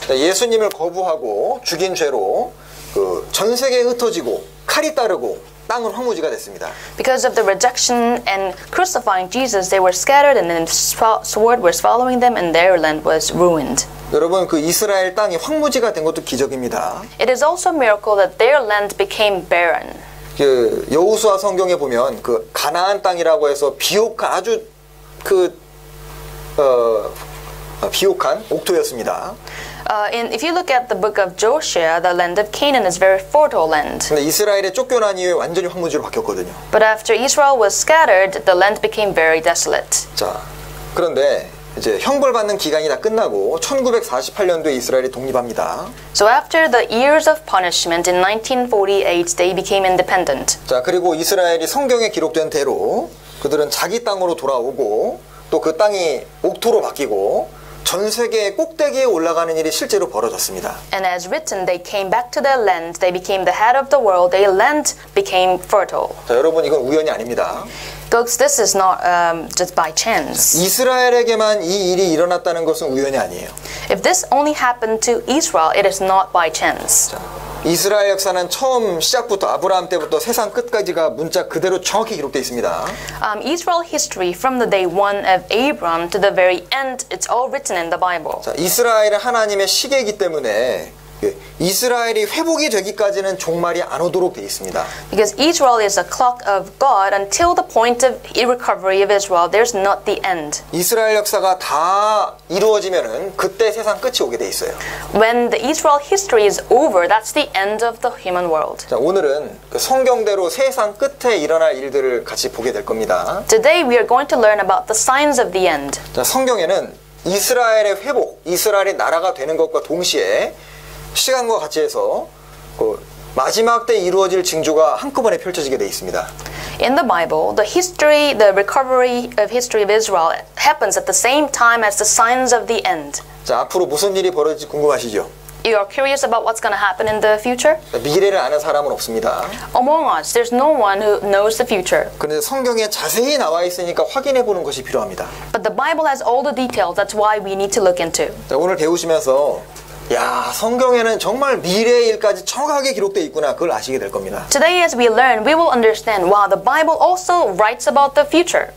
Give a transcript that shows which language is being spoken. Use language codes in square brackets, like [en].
[ko] 자, 예수님을 거부하고 죽인 죄로 그 전 세계에 흩어지고 칼이 따르고 땅은 황무지가 됐습니다. [en] Because of the rejection and crucifying Jesus, they were scattered and then sword was following them and their land was ruined. [ko] 여러분, 그 이스라엘 땅이 황무지가 된 것도 기적입니다. [en] It is also a miracle that their land became barren. [ko] 그 여호수아 성경에 보면 그 가나안 땅이라고 해서 비옥한 아주 그 비옥한 옥토였습니다. [en] If you look at the book of Joshua, the land of Canaan is very fertile land. [ko] 근데 이스라엘에 쫓겨난 이후에 완전히 황무지로 바뀌었거든요. [en] But after Israel was scattered, the land became very desolate. [ko] 자, 그런데 이제 형벌 받는 기간이 다 끝나고 1948년도에 이스라엘이 독립합니다. [en] So after the years of punishment in 1948 they became independent. [ko] 자, 그리고 이스라엘이 성경에 기록된 대로 그들은 자기 땅으로 돌아오고 또 그 땅이 옥토로 바뀌고 전 세계의 꼭대기에 올라가는 일이 실제로 벌어졌습니다. [en] And as written they came back to their land. They became the head of the world. Their land became fertile. [ko] 자, 여러분 이건 우연이 아닙니다. [en] Folks, this is not just by chance. [ko] 이스라엘에게만 이 일이 일어났다는 것은 우연이 아니에요. [en] If this only happened to Israel, it is not by chance. [ko] 자, 이스라엘 역사는 처음 시작부터 아브라함 때부터 세상 끝까지가 문자 그대로 정확히 기록돼 있습니다. [en] Israel history from the day one of Abraham to the very end, it's all written in the Bible. [ko] 자, 이스라엘은 하나님의 시계이기 때문에 이스라엘이 회복이 되기까지는 종말이 안 오도록 돼 있습니다. [en] Because Israel is a clock of God until the point of recovery of Israel, there's not the end. [ko] 이스라엘 역사가 다 이루어지면은 그때 세상 끝이 오게 돼 있어요. [en] When the Israel history is over, that's the end of the human world. [ko] 자, 오늘은 그 성경대로 세상 끝에 일어날 일들을 같이 보게 될 겁니다. [en] Today we are going to learn about the signs of the end. [ko] 자, 성경에는 이스라엘의 회복, 이스라엘의 나라가 되는 것과 동시에 시간과 같이 해서 그 마지막 때 이루어질 징조가 한꺼번에 펼쳐지게 돼 있습니다. [en] In the Bible, the history, the recovery of history of Israel happens at the same time as the signs of the end. [ko] 자, 앞으로 무슨 일이 벌어질지 궁금하시죠? [en] You are curious about what's going to happen in the future? [ko] 미래를 아는 사람은 없습니다. [en] Among us, there's no one who knows the future. [ko] 그런데 성경에 자세히 나와 있으니까 확인해 보는 것이 필요합니다. [en] But the Bible has all the details. That's why we need to look into. [ko] 자, 오늘 배우시면서 야, 성경에는 정말 미래의 일까지 정확하게 기록되어 있구나. 그걸 아시게 될 겁니다. [en] Today as we learn, we will understand why the Bible also writes about the future.